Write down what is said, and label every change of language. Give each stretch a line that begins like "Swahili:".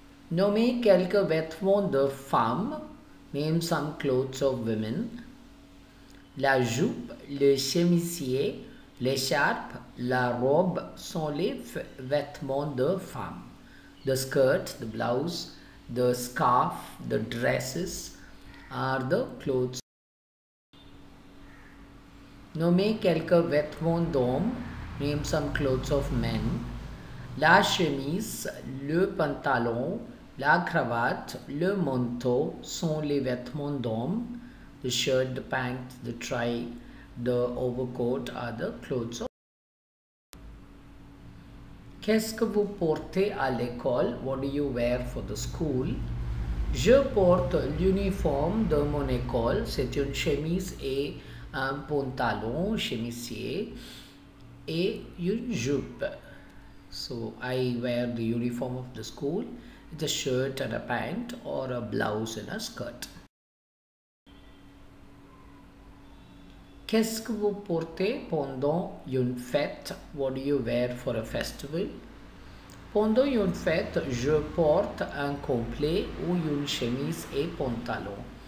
French: Nommé quelques vêtements de femmes,
English: name some clothes of women.
French: La jupe, le chemisier, l'écharpe, la robe sont les vêtements de femmes.
English: The skirt, the blouse, the scarf, the dresses are the clothes. Nommez quelques vêtements d'hommes, name some clothes of men.
French: La chemise, le pantalon, la cravate, le manteau sont les vêtements d'hommes.
English: The shirt, the pants, the tie, the overcoat are the clothes of men. Qu'est-ce que vous portez à l'école? What do you wear for the school?
French: Je porte l'uniforme de mon école. C'est une chemise et un pantalon, chemisier, et une jupe.
English: So, I wear the uniform of the school. It's a shirt and a pant or a blouse and a skirt.
French: Qu'est-ce que vous portez pendant une fête?
English: What do you wear for a festival?
French: Pendant une fête, je porte un complet ou une chemise et pantalon.